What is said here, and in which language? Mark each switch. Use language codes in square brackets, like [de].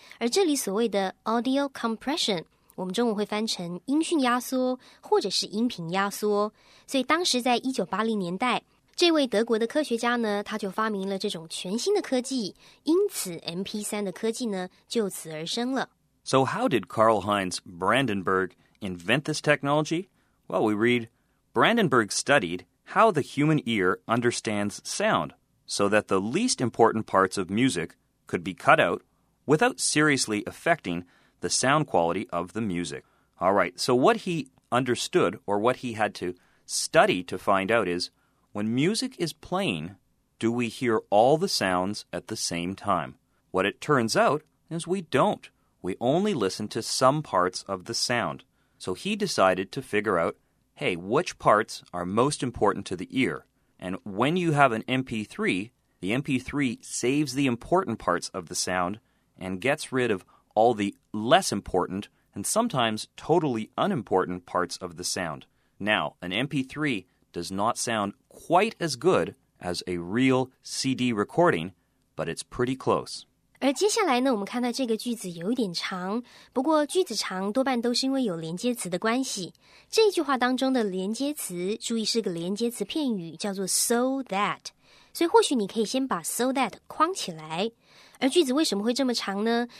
[zh] 而这里所谓的 audio compression，我们中文会翻成音讯压缩或者是音频压缩。所以当时在1980年代，这位德国的科学家呢，他就发明了这种全新的科技，因此 MP3 的科技呢就此而生了。 [en] So how did Karlheinz Brandenburg invent this technology? Well, we read Brandenburg studied how the human ear understands sound so that the least important parts of music could be cut out without seriously affectingthe sound quality of the music. All right, so what he understood or what he had to study to find out is, when music is playing, do we hear all the sounds at the same time? What it turns out is we don't. We only listen to some parts of the sound. So he decided to figure out, hey, which parts are most important to the ear? And when you have an MP3, the MP3 saves the important parts of the sound and gets rid of all the less important and sometimes totally unimportant parts of the sound. Now, an MP3 does not sound quite as good as a real CD recording, but it's pretty close. [zh] 而接下来呢，我们看到这个句子有一点长，不过句子长多半都是因为有连接词的关系。这句话当中的连接词，注意是个连接词片语，叫做 so that。所以或许你可以先把 so that 框起来。而句子为什么会这么长呢？